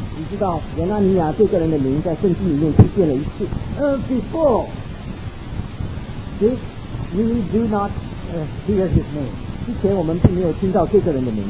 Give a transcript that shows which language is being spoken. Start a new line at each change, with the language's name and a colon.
Chinese: 你知道亚纳尼亚这个人的名在圣经里面出现了一次。
English: Before this, we do not hear his name.
Chinese: 之前我们并没有听到这个人的名。